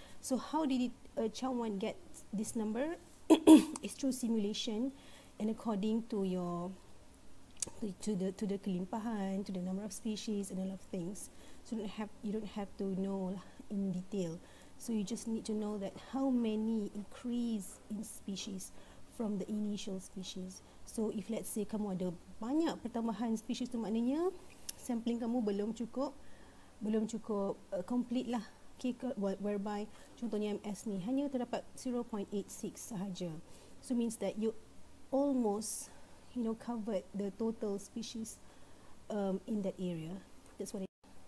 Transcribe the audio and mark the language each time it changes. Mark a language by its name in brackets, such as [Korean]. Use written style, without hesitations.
[English] So how did it, Chow 1 get this number? It's through simulation and according to your to the kelimpahan, to the number of species and a lot of things. So you don't have to know in detail. So you just need to know that how many increase in species from the initial species. So if let's say [Malay] kamu ada banyak pertambahan species tu, maknanya sampling kamu belum cukup complete lah. Okay, whereby contohnya MS ni hanya terdapat 0.86 sahaja. [English] So means that you almost, you know, covered the total species in that area. That's what it is.